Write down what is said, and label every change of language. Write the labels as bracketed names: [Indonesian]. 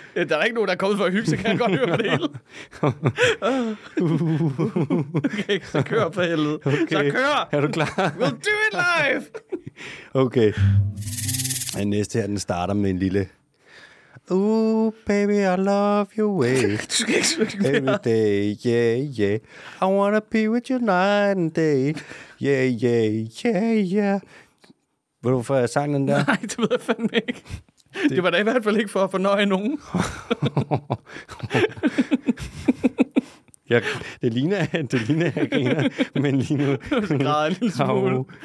[Danish] Der er ikke nogen, der er kommet for at hygge, så kan jeg godt høre på det hele. Okay, så kør på helvede. Okay. Så kør! Er du klar? [English] We'll do it live! Okay. [Danish] Den næste her, den starter med en lille... [English] Ooh, baby, I love your way. Every day, yeah, yeah. I wanna be with you night and day. Yeah, yeah, yeah, yeah. [Danish] Ved du, hvorfor jeg sang den der? Nej, det ved jeg fandme ikke. Det var da i hvert fald ikke for at fornøje nogen. Ja, det ligner, at jeg griner, men lige nu... Du græder en lille smule.